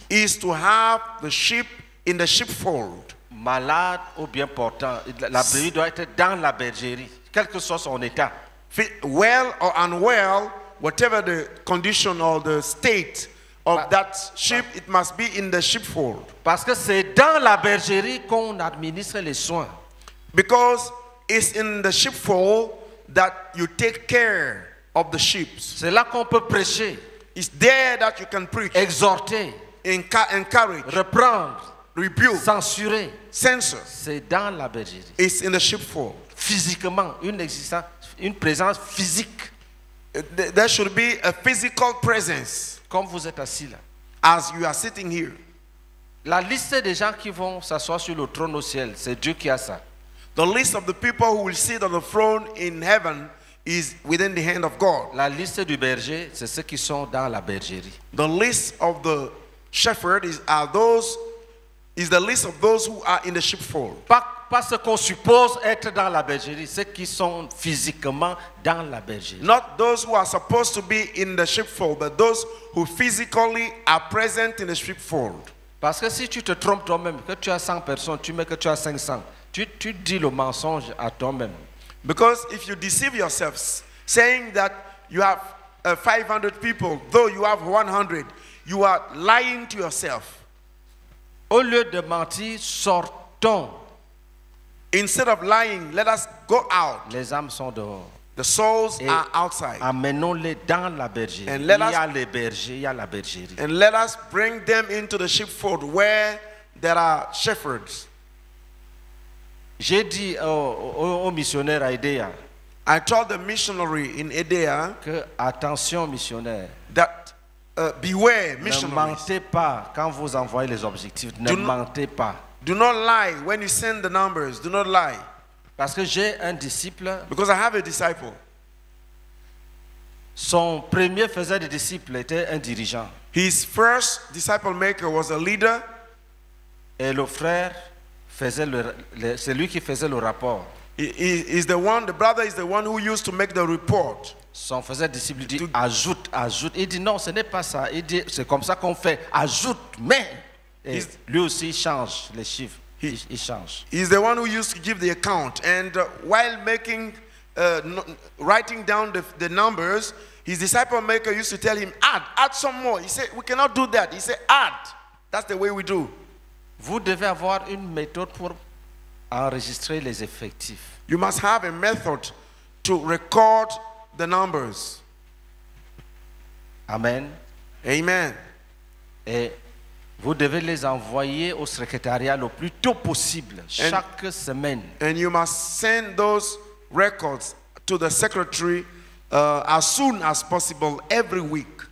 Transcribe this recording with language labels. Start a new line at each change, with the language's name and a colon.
English: is to have the sheep in the sheepfold.
French: Malade ou bien portant, la brebis doit être dans la bergerie, quel que soit son état.
English: Well or unwell, whatever the condition or the state of that sheep, it must be in the sheepfold.
French: Parce que c'est dans la bergerie qu'on administre les soins.
English: Because it's in the sheepfold that you take care of the sheep.
French: C'est là qu'on peut prêcher.
English: It's there that you can preach.
French: Exhorter.
English: Encourage.
French: Reprendre.
English: Rebuke.
French: Censurer.
English: Censure.
French: C'est dans la bergerie.
English: It's in the sheepfold.
French: Physiquement, une existence, une présence physique.
English: There should be a physical presence.
French: Comme vous êtes assis là.
English: As you are sitting here.
French: La liste des gens qui vont s'asseoir sur le trône au ciel, c'est Dieu qui a ça.
English: The list of the people who will sit on the throne in heaven is within the hand of God.
French: La liste du berger, c'est ceux qui sont dans la bergerie.
English: The list of the shepherd is the list of those who are in the sheepfold.
French: Pas ce qu'on suppose être dans la bergerie, ceux qui sont physiquement dans la bergerie.
English: Not those who are supposed to be in the sheepfold, but those who physically are present in the sheepfold.
French: Parce que si tu te trompes toi-même, que tu as 100 personnes, tu mets que tu as 500, tu dis le mensonge à toi-même.
English: Because if you deceive yourself, saying that you have 500 people, though you have 100, you are lying to yourself.
French: Au lieu de mentir, sortons.
English: Instead of lying, let us go out.
French: Les âmes sont dehors.
English: The souls are outside.
French: Amenons-les dans la bergerie. Il y a les bergers, il y a la bergerie.
English: And let us bring them into the sheepfold where there are shepherds.
French: J'ai dit au missionnaire à Edea,
English: I told the missionary in Edea,
French: que attention missionnaire,
English: that beware missionaries.
French: Ne mentez pas quand vous envoyez les objectifs. Ne mentez pas.
English: Do not lie when you send the numbers. Do not lie.
French: Parce que j'ai un disciple.
English: Because I have a disciple.
French: Son premier faiseur de disciples était un dirigeant.
English: His first disciple maker was a leader.
French: Et le frère faisait c'est lui qui faisait le rapport.
English: Is the one, the brother is the one who used to make the report.
French: Son faiseur de disciples dit ajoute, ajoute. Il dit non, ce n'est pas ça. Il dit c'est comme ça qu'on fait. Ajoute, mais. Et lui aussi change les chiffres. Il change.
English: He's the one who used to give the account, and while making, writing down the numbers, his disciple maker used to tell him, add some more. He said, we cannot do that. He said, add. That's the way we do.
French: Vous devez avoir une méthode pour enregistrer les effectifs.
English: You must have a method to record the numbers. Amen. Amen.
French: Et vous devez les envoyer au secrétariat le plus tôt possible, chaque semaine.
English: And you must send those records to the secretary as soon as possible every week.